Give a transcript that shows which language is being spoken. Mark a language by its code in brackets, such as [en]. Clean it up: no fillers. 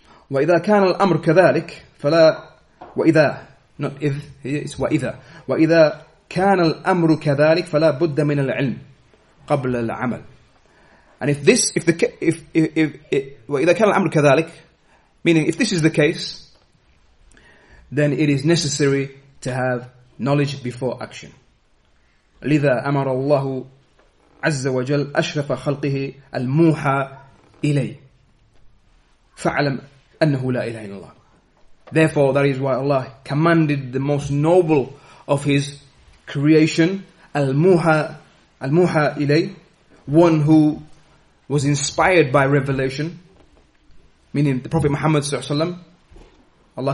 [ar] وَإِذَا كَانَ الْأَمْرُ كَذَلِكَ فَلَا وَإِذَا [en] not [ar] إِذْ [en] it's [ar] وَإِذَا وَإِذَا كَانَ الْأَمْرُ كَذَلِكَ فَلَا بُدَّ مِنَ الْعِلْمِ قَبْلَ الْعَمَلِ. [en] And if this is the case, then it is necessary to have knowledge before action. [ar] لذا أمر الله عز وجل أشرف خلقه الموحى إلي فعلم أنه لا إله إلا الله. [en] Therefore, that is why Allah commanded the most noble of His creation, al-muha إلي, one who was inspired by revelation, meaning the Prophet Muhammad sallallahu alaihi wasallam.